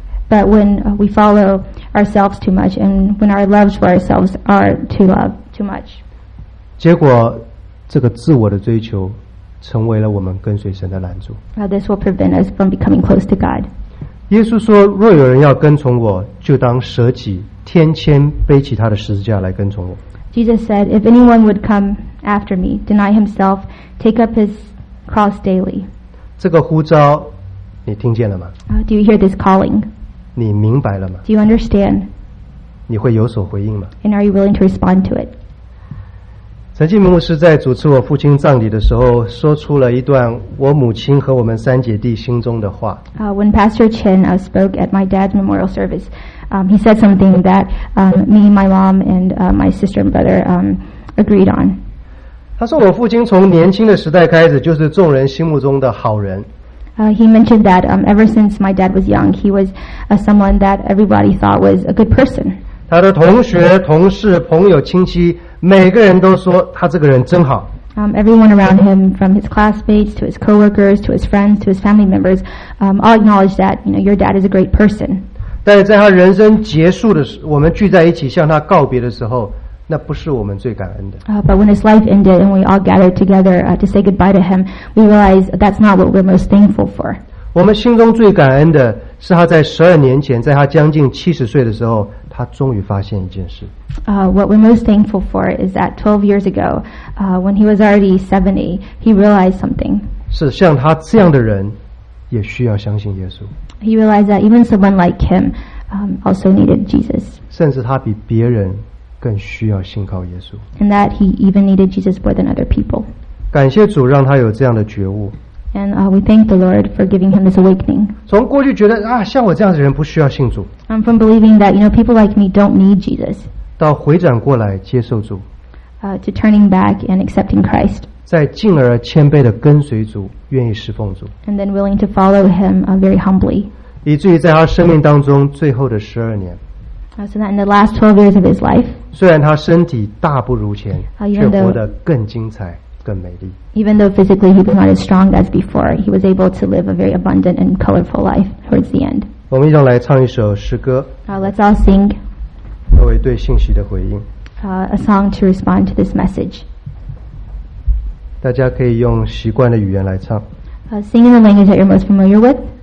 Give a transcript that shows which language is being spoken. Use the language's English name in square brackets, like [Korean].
[English] But when we follow ourselves too much, and when our loves for ourselves are too much, [Chinese] 结果这个自我的追求成为了我们跟随神的拦阻。 [English] This will prevent us from becoming close to God. [Chinese] 耶稣说：“若有人要跟从我，就当舍己。” 天谦背起他的十字架来跟从我。 [English] Jesus said, "If anyone would come after me, deny himself, take up his cross daily." [Chinese] 这个呼召，你听见了吗 [English] ？Do you hear this calling? [Chinese] 你明白了吗 [English] ？Do you understand? [Chinese] 你会有所回应吗 [English] ？And are you willing to respond to it? [Chinese] 陈继明牧师在主持我父亲葬礼的时候，说出了一段我母亲和我们三姐弟心中的话。 [English] When Pastor Chen spoke at my dad's memorial service. He said something that me, my mom, and my sister and brother agreed on. [Chinese] 他说我父亲从年轻的时代开始就是众人心目中的好人。 [English] He mentioned that ever since my dad was young, he was someone that everybody thought was a good person. [Chinese] 他的同学、同事、朋友、亲戚，每个人都说他这个人真好。 [English] Everyone around him, from his classmates to his coworkers to his friends to his family members, all acknowledged that you know your dad is a great person. [Chinese] 但在他人生结束的时候，我们聚在一起向他告别的时候，那不是我们最感恩的。 [English] But when his life ended and we all gathered together to say goodbye to him, we realize that's not what we're most thankful for. [Chinese] 我们心中最感恩的是他在十二年前，在他将近七十岁的时候，他终于发现一件事。 [English] What we're most thankful for is that 12 years ago, when he was already 70, he realized something. [Chinese] 是像他这样的人，也需要相信耶稣。 [English] He realized that even someone like him also needed Jesus. [Chinese] 甚至他比别人更需要信靠耶稣。 [English] And that he even needed Jesus more than other people. [Chinese] 感谢主让他有这样的觉悟。 [English] And we thank the Lord for giving him this awakening. [Chinese] 从过去觉得啊，像我这样的人不需要信主。 [English] I'm from believing that you know people like me don't need Jesus. [Chinese] 到回转过来接受主。 [English] To turning back and accepting Christ. [Chinese] 再进而谦卑的跟随主，愿意侍奉主。 [English] And then willing to follow him very humbly. [Chinese] 以至于在他生命当中最后的十二年。 [English] So that in the last 12 years of his life, [Chinese] 虽然他身体大不如前，却活得更精彩。 [English] Even though physically he was not as strong as before, he was able to live a very abundant and colorful life towards the end. [Chinese] 我们一同来唱一首诗歌。 [English] Let's all sing. [Chinese] 作为对信息的回应。 [English] A song to respond to this message. [Chinese] 大家可以用习惯的语言来唱。 [English] Sing in the language that you're most familiar with.